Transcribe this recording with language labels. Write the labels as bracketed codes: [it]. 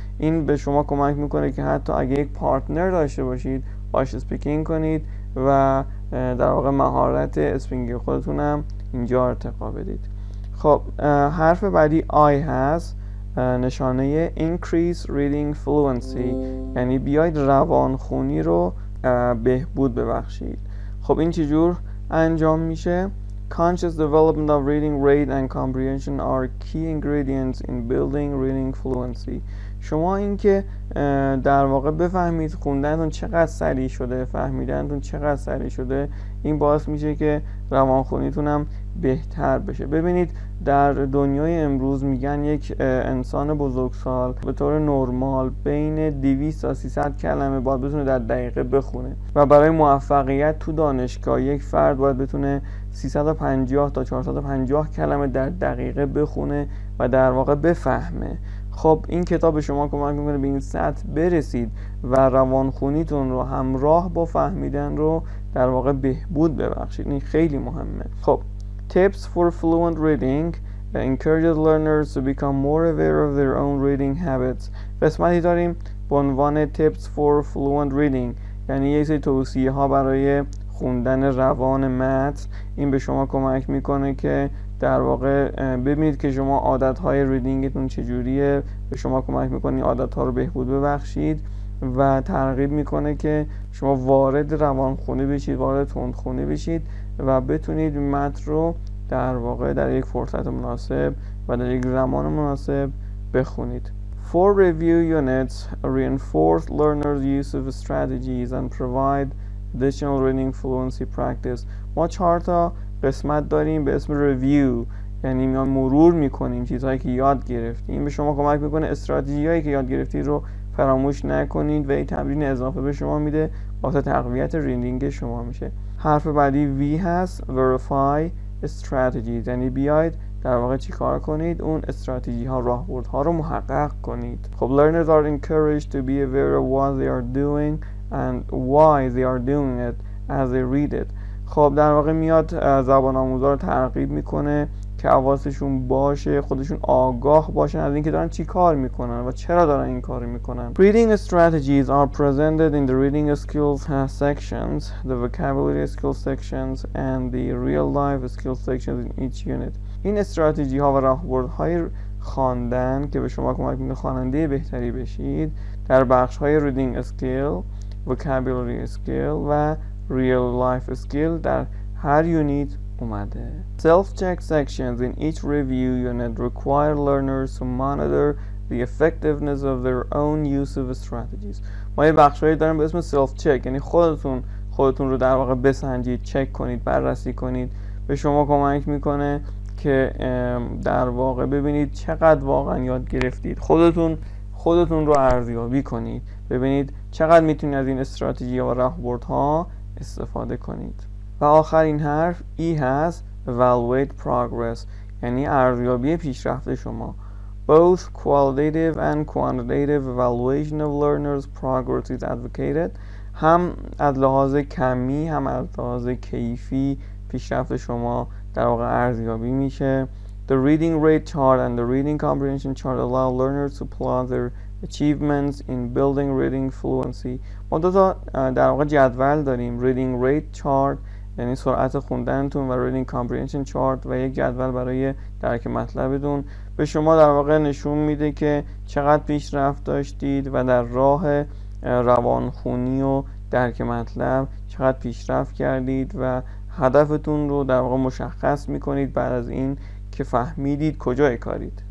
[fa] این به شما کمک میکنه که حتی اگه یک پارتنر داشته باشید باش اسپیکینگ کنید و در واقع مهارت اسپیکینگ خودتونم اینجا ارتقا بدید. خب حرف بعدی I هست، نشانه increase reading fluency یعنی بیاید روان خونی رو بهبود ببخشید. [en] خب این چجور انجام میشه؟ Conscious development of reading rate and comprehension are key ingredients in building reading fluency. [fa] شما اینکه در واقع بفهمید خوندنتون چقدر سریع شده، فهمیدنتون چقدر سریع شده، این باعث میشه که روانخونیتون هم بهتر بشه. ببینید در دنیای امروز میگن یک انسان بزرگسال به طور نرمال بین 200 تا 300 کلمه باید بتونه در دقیقه بخونه و برای موفقیت تو دانشگاه یک فرد باید بتونه 350 تا 450 کلمه در دقیقه بخونه و در واقع بفهمه. خب این کتاب شما کمک میکنه به این سطح برسید و روانخونیتون رو همراه با فهمیدن رو در واقع بهبود ببخشید. این خیلی مهمه. [en] خب tips for fluent reading encourages learners to become more aware of their own reading habits. [fa] قسمتی داریم به عنوان tips for fluent reading یعنی یه سری توصیه ها برای خوندن روان متن. این به شما کمک میکنه که در واقع ببینید که شما عادتهای ریدینگتون چجوریه، به شما کمک میکنه این عادتها رو بهبود ببخشید و ترغیب میکنه که شما وارد روان خونه بشید، وارد تند خونه بشید و بتونید متن رو در واقع در یک فرصت مناسب و در یک زمان مناسب بخونید. [en] Four review units reinforce learners' use of strategies and provide additional reading fluency practice. [fa] ما چهار تا قسمت داریم به اسم review یعنی میان مرور میکنیم چیزهایی که یاد گرفتیم. این به شما کمک میکنه استراتژی هایی که یاد گرفتید رو فراموش نکنید و این تمرین اضافه به شما میده واسه تقویت ریدینگ شما میشه. حرف بعدی V هست، verify strategies یعنی بیاید در واقع چی کار کنید، اون استراتژی ها راهبرد ها رو محقق کنید. [en] خب learners are encouraged to be aware of what they are doing and why they are doing it as they read it. [fa] خب در واقع میاد زبان آموزا رو ترغیب میکنه که حواسشون باشه، خودشون آگاه باشن از اینکه دارن چی کار میکنن و چرا دارن این کار میکنن. [en] Reading strategies are presented in the reading skills sections, the vocabulary skills sections and the real life skills sections in each unit. [fa] این استراتژی ها و راهبردهای خواندن که به شما کمک میکنه خواننده بهتری بشید در بخش های reading skill، vocabulary skill و real life skill در هر یونیت اومده. [en] Self-check sections in each review unit require learners to monitor the effectiveness of their own use of strategies. [fa] ما یه بخشایی داریم به اسم self-check یعنی خودتون رو در واقع بسنجید، چک کنید، بررسی کنید. به شما کمک میکنه که در واقع ببینید چقدر واقعا یاد گرفتید، خودتون رو ارزیابی کنید، ببینید چقدر میتونید از این استراتژی و راهبردها استفاده کنید. و آخرین حرف ای هست، evaluate progress یعنی ارزیابی پیشرفت شما. با [en] Both qualitative and quantitative evaluation of learners' progress is advocated. [fa] هم از لحاظ کمی هم از لحاظ کیفی پیشرفت شما در واقع ارزیابی میشه. [en] The reading rate chart and the reading comprehension chart allow learners to plot their achievements in building reading fluency. [fa] ما دو تا در واقع جدول داریم. Reading rate chart یعنی سرعت خوندنتون و reading comprehension chart و یک جدول برای درک مطلبتون به شما در واقع نشون میده که چقدر پیشرفت داشتید و در راه روان خونی و درک مطلب چقدر پیشرفت کردید و هدفتون رو در واقع مشخص میکنید بعد از این که فهمیدید کجای کارید.